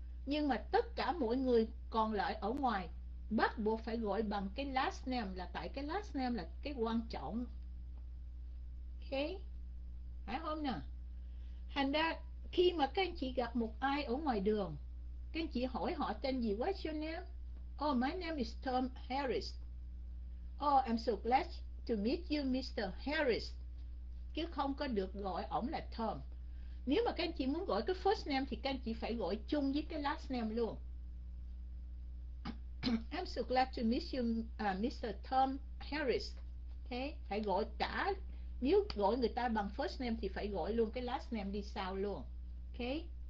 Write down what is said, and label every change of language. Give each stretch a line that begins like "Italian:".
Vietnamese: Nhưng mà tất cả mọi người còn lại ở ngoài bắt buộc phải gọi bằng cái last name, là tại cái last name là cái quan trọng. Ok. Phải không nè? Thành ra khi mà các anh chị gặp một ai ở ngoài đường, các anh chị hỏi họ tên gì,
English: what's your name? Oh, my name is Tom Harris. Oh, I'm so glad to meet you, Mr. Harris.
Vietnamese: Chứ không có được gọi ổng là Tom. Nếu mà các anh chị muốn gọi cái first name thì các anh chị phải gọi chung với cái last name luôn.
English: I'm so glad to meet you, Mr. Tom Harris. Okay?
Vietnamese: Phải gọi cả, nếu gọi người ta bằng first name thì phải gọi luôn cái last name đi sau luôn. Okay?